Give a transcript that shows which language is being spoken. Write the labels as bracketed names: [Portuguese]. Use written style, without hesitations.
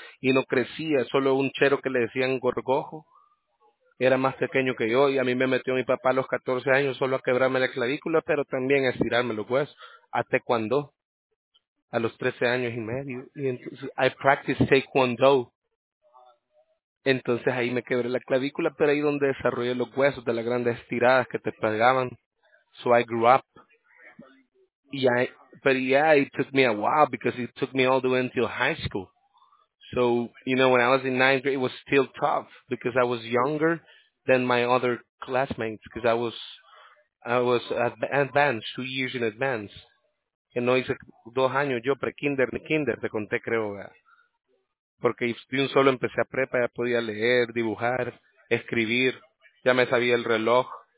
[Spanish] Y no crecía, solo un chero que le decían gorgojo, era más pequeño que yo, y a mí me metió mi papá a los 14 años solo a quebrarme la clavícula, pero también a estirarme los huesos, hasta cuando, a los 13 años y medio, y entonces, [English] I practiced taekwondo. [Spanish] Entonces ahí me quebré la clavícula, pero ahí donde desarrollé los huesos de las grandes estiradas que te pegaban. [English] So I grew up, it took me a while because it took me all the way until high school. So, you know, when I was in ninth grade, it was still tough because I was younger than my other classmates because I was advanced, 2 years in advance. [Spanish] Que no hice 2 años yo pre-kinder ni kinder, te conté creo. Porque de un solo empecé a prepa, ya podía leer, dibujar, escribir, ya me sabía el reloj.